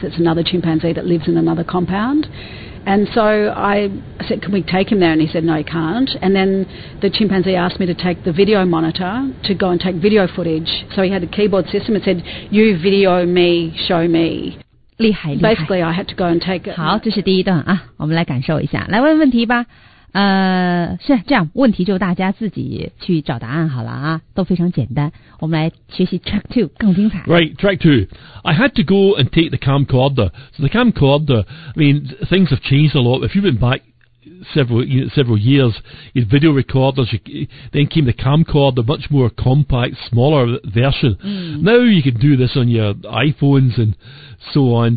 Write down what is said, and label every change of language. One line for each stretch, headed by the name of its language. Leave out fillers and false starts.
English: It's another chimpanzee that lives in another compound. And so I said, can we take him there? And he said, no, you can't. And then the chimpanzee asked me to take the video monitor to go and take video footage. So he had a keyboard system and said, you video me, show me.
Chinese: 厉害厉害
English: Basically, I had to go and take it.
Chinese: 好，这是第一段啊，我们来感受一下。来问问题吧。是这样，问题就大家自己去找答案好了啊，都非常简单。我们来学习
English: track two
Chinese: 更精彩。
English: Right, track two. I had to go and take the camcorder. So the camcorder, I mean, things have changed a lot. If you went back several years. You'd video recorders. Then came the camcorder, the much more compact, smaller version. Mm. Now you can do this on your iPhones and so on.